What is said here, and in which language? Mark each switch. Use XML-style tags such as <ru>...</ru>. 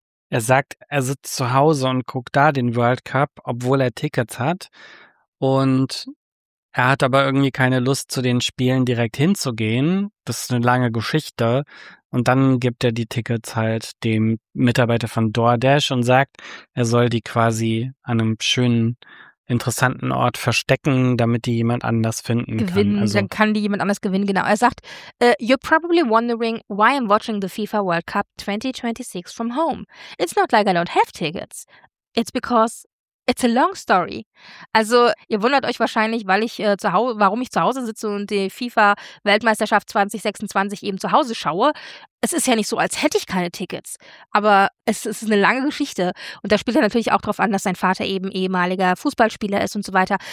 <de>Er sagt, er sitzt zu Hause und guckt da den World Cup, obwohl er Tickets hat und er hat aber irgendwie keine Lust, zu den Spielen direkt hinzugehen. Das ist eine lange Geschichte. Und dann gibt er die Tickets halt dem Mitarbeiter von DoorDash und sagt, er soll die quasi an einem schönen, interessanten Ort verstecken, damit die jemand anders finden gewinnen, kann. Also, dann kann die jemand anders gewinnen, genau. Er sagt,</de> <en>you're probably wondering why I'm watching the FIFA World Cup 2026 from home. It's not like I don't have tickets. It's because it's a long story.</en> <de>Also, ihr wundert euch wahrscheinlich, weil ich warum ich zu Hause sitze und die FIFA-Weltmeisterschaft 2026 eben zu Hause schaue. Es ist ja nicht so, als hätte ich keine Tickets. Aber es ist eine lange Geschichte. Und da spielt er natürlich auch drauf an, dass sein Vater eben ehemaliger Fußballspieler ist und so weiter.</de>